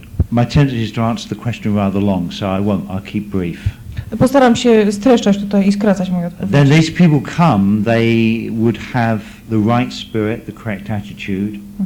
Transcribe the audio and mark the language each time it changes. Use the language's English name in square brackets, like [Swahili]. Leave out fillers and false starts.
[English] My tendency is to answer the question rather long, so I won't. I'll keep brief. [Polish] Postaram się streszczać tutaj i skracać moją odpowiedź. [English] Then these people come, they would have the right spirit, the correct attitude.